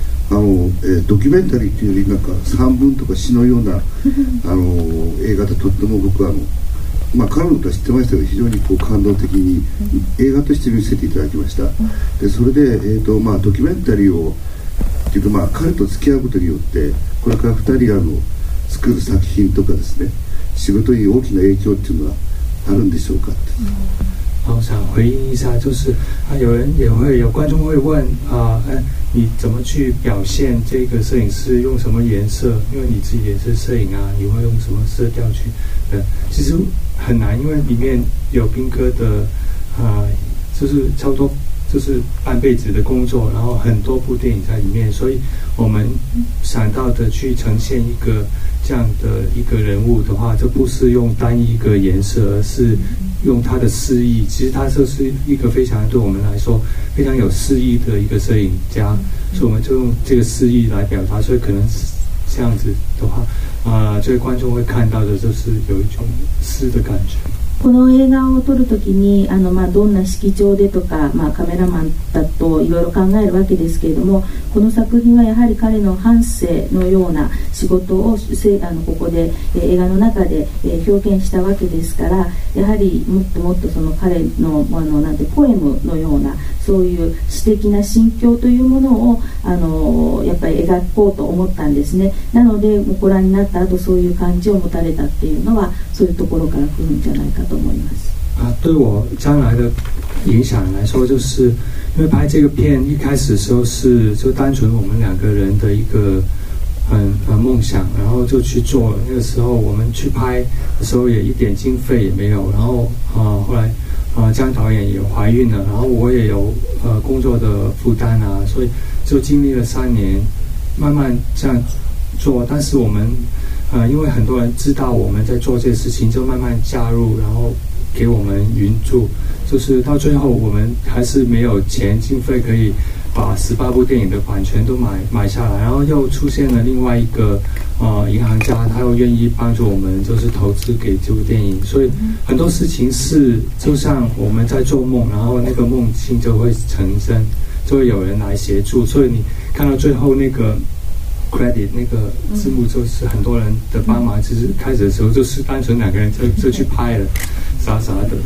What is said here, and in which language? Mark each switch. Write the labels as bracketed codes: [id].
[ja] あの、ドキュメンタリーというよりなんか散文とか詩のようなあの映画で、とっても僕はあの、まあ、彼の歌は知ってましたが、非常にこう感動的に映画として見せていただきました。でそれで、まあ、ドキュメンタリーをというか、まあ、彼と付き合うことによってこれから2人あの作る作品とかですね、仕事に大きな影響というのはあるんでしょうかって、うん、 [zh] 我想回应一下，就是有人也会有观众会问啊，你怎么去表现这个摄影师用什么颜色？因为你自己也是摄影啊，你会用什么色调去？其实很难，因为里面有斌哥的啊，就是差不多就是半辈子的工作，然后很多部电影在里面，所以我们想到的去呈现一个这样的一个人物的话，就不是用单一个颜色，而是用他的诗意，其实他就是一个非常对我们来说非常有诗意的一个摄影家，所以我们就用这个诗意来表达，所以可能这样子的话所以观众会看到的就是有一种诗的感觉。 [ja] この映画を撮るときにあの、まあ、どんな色調でとか、まあ、カメラマンだといろいろ考えるわけですけれども、この作品はやはり彼の半生のような仕事をあのここで映画の中で表現したわけですから、やはりもっともっとその彼 の、 あのなんてポエムのようなそういう詩的な心境というものをやっぱり描こうと思ったんですね。なのでご覧になった後そういう感じを持たれたっていうのはそういうところから来るんじゃないかと思います。 [zh] 啊，对我将来的影响来说，就是因为拍这个片一开始的时候是就单纯我们两个人的一个很梦想，然后就去做。那个时候我们去拍的时候也一点经费也没有，然后后来江导演也怀孕了，然后我也有工作的负担啊，所以就经历了三年慢慢这样做。但是我们因为很多人知道我们在做这些事情，就慢慢加入，然后给我们援助，就是到最后我们还是没有钱经费可以把十八部电影的版权都买下来，然后又出现了另外一个银行家，他又愿意帮助我们，就是投资给这部电影。所以很多事情是就像我们在做梦，然后那个梦境就会成真，就会有人来协助。所以你看到最后那个 credit 那个字幕就是很多人的帮忙，其实开始的时候就是单纯两个人就去拍了啥啥的。